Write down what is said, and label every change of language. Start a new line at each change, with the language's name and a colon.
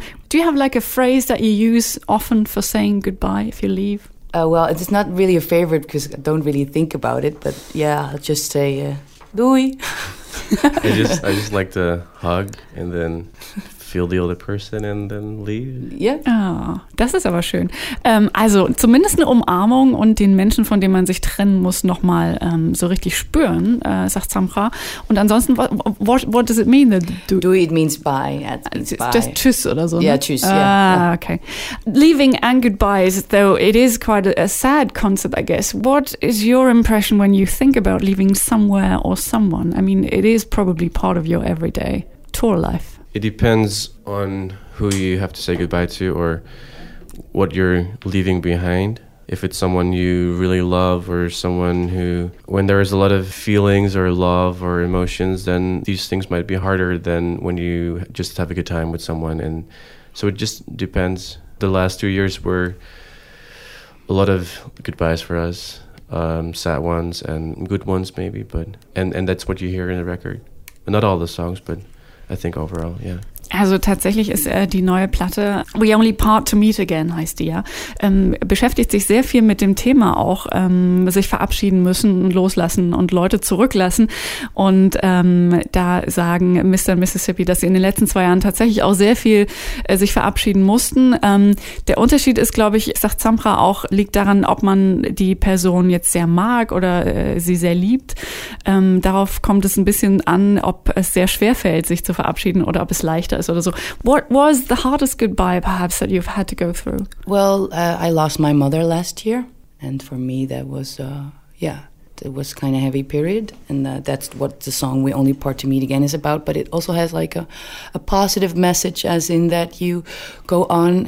English: Do you have like a phrase that you use often for saying goodbye if you leave? Well, it's not really a favorite because I don't really think about it, but yeah, I'll just say doei. I just like to hug and then feel the other person and then leave. Yeah.
German: Oh, das ist aber schön. Also zumindest eine Umarmung und den Menschen, von dem man sich trennen muss, nochmal so richtig spüren, sagt Samra. Und ansonsten,
English: what does it mean? Doei, it means bye. Yeah, it means bye.
German: Just tschüss oder so.
English: Yeah, tschüss. Ah, Okay. Leaving and goodbyes, though it is quite a sad concept, I guess. What is your impression when you think about leaving somewhere or someone? I mean, it is probably part of your everyday tour life. It depends on who you have to say goodbye to or what you're leaving behind. If it's someone you really love or someone who, when there is a lot of feelings or love or emotions, then these things might be harder than when you just have a good time with someone. And so it just depends. The last 2 years were a lot of goodbyes for us, sad ones and good ones maybe, but and that's what you hear in the record. Not all the songs, but I think overall, yeah.
German: Also tatsächlich ist die neue Platte We Only Part to Meet Again, heißt die ja, beschäftigt sich sehr viel mit dem Thema auch, sich verabschieden müssen und loslassen und Leute zurücklassen. Und da sagen Mr. Mississippi, dass sie in den letzten 2 Jahren tatsächlich auch sehr viel sich verabschieden mussten. Der Unterschied ist, glaube ich, sagt Samra auch, liegt daran, ob man die Person jetzt sehr mag oder sie sehr liebt. Darauf kommt es ein bisschen an, ob es sehr schwer fällt, sich zu verabschieden oder ob es leicht us or so.
English: What was the hardest goodbye perhaps that you've had to go through? Well, I lost my mother last year, and for me that was it was kind of heavy period, and that's what the song We Only Part to Meet Again is about. But it also has like a positive message, as in that you go on.